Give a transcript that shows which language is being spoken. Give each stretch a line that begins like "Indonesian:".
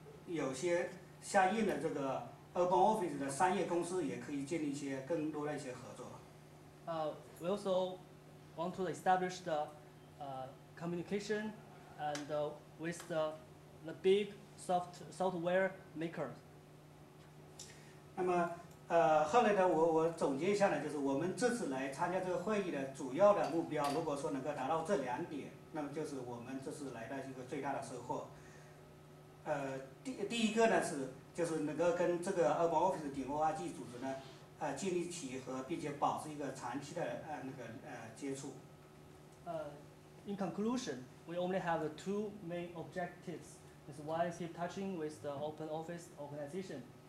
Chinese: 那么还有呢，就是我们想跟社区的话建立一些合作的关系，包括有些相应的这个 Urban Office 的商业公司也可以建立一些更多的一些合作。
English: We also want to establish the communication and with the big software makers.
Chinese: 后来呢，我总结一下呢，就是我们这次来参加这个会议的主要的目标，如果说能够达到这两点，那么就是我们这次来的一个最大的收获。第一个呢是就是能够跟这个 Urban Office 顶峰化技组织呢建立起和并且保持一个长期的接触。
English: In conclusion, we only have the two main objectives. This one is keep touching with the Open Office organization.